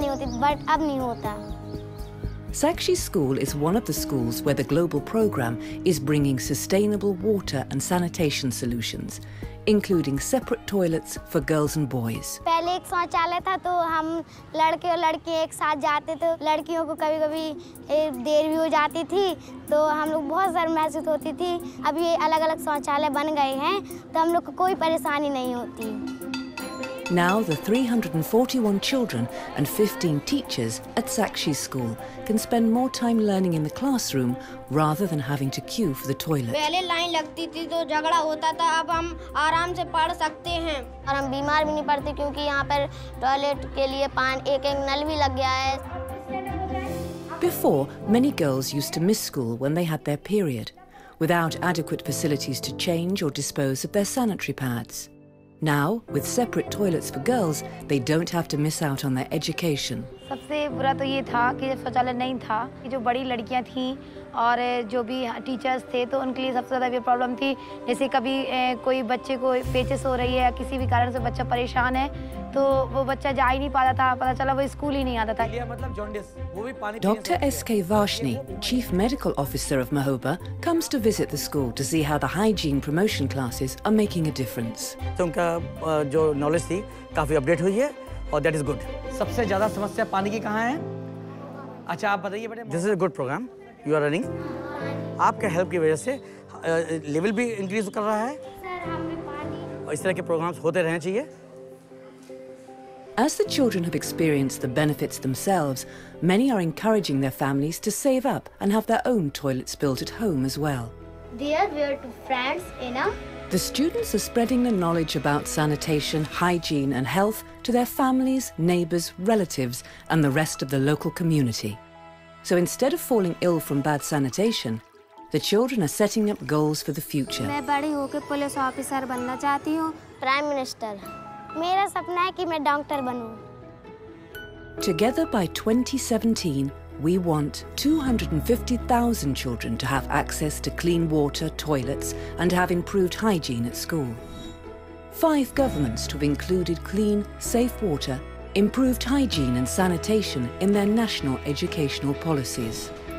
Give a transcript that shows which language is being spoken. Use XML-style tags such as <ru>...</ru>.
<en>Sakshi's school is one of the schools where the global program is bringing sustainable water and sanitation solutions, including separate toilets for girls and boys.</en> <hi>पहले एक शौचालय था तो हम लड़के और लड़की एक साथ जाते थे. लड़कियों को कभी-कभी देर भी हो जाती थी तो हम लोग बहुत शर्म महसूस होती थी. अब ये अलग-अलग शौचालय बन गए हैं तो हम लोग को कोई परेशानी नहीं होती.</hi> <en>Now the 341 children and 15 teachers at Sakshi's school can spend more time learning in the classroom rather than having to queue for the toilet.</en> <hi>पहले लाइन लगती थी तो झगड़ा होता था. अब हम आराम से पढ़ सकते हैं और हम बीमार भी नहीं पड़ते क्योंकि यहाँ पर टॉयलेट के लिए पानी एक एक नल भी लग गया है.</hi> <en>Before, many girls used to miss school when they had their period, without adequate facilities to change or dispose of their sanitary pads. Now, with separate toilets for girls, they don't have to miss out on their education.</en> <hi>सबसे बुरा तो ये था कि शौचालय नहीं था. कि जो बड़ी लड़कियां थीं और जो भी टीचर्स थे तो उनके लिए सबसे ज्यादा ये प्रॉब्लम थी. जैसे कभी कोई बच्चे को पेचिस हो रही है या किसी भी कारण से बच्चा परेशान है तो वो बच्चा जा ही नहीं पा रहा था. पता चला वो स्कूल ही नहीं आता था.</hi> <en>Doctor S K Varshney, chief medical officer of Mahoba, comes to visit the school to see how the hygiene promotion classes are making a difference.</en> <hi>उनका जो नॉलेज थी काफी अपडेट हुई है.</hi> <en>Oh, that is good.</en> <hi>सबसे ज्यादा समस्या पानी की कहाँ है? अच्छा आप बताइए बेटे.</hi> <en>This is a good program you are running.</en> <hi>आपके हेल्प की वजह से लेवल भी इंक्रीज कर रहा है. और इस तरह के प्रोग्राम्स होते रहने चाहिए.</hi> <en>As the children have experienced the benefits themselves, many are encouraging their families to save up and have their own toilets built at home as well. Dear, we are two friends, Ina. The students are spreading the knowledge about sanitation, hygiene and health to their families, neighbors, relatives and the rest of the local community. So instead of falling ill from bad sanitation, the children are setting up goals for the future.</en> <hi>मैं बड़ी होकर police officer बनना चाहती हूं.</hi> <en>Prime minister.</en> <hi>मेरा सपना है कि मैं doctor बनूं.</hi> <en>Together by 2017, we want 250,000 children to have access to clean water, toilets, and to have improved hygiene at school. 5 governments to have included clean, safe water, improved hygiene and sanitation in their national educational policies.</en>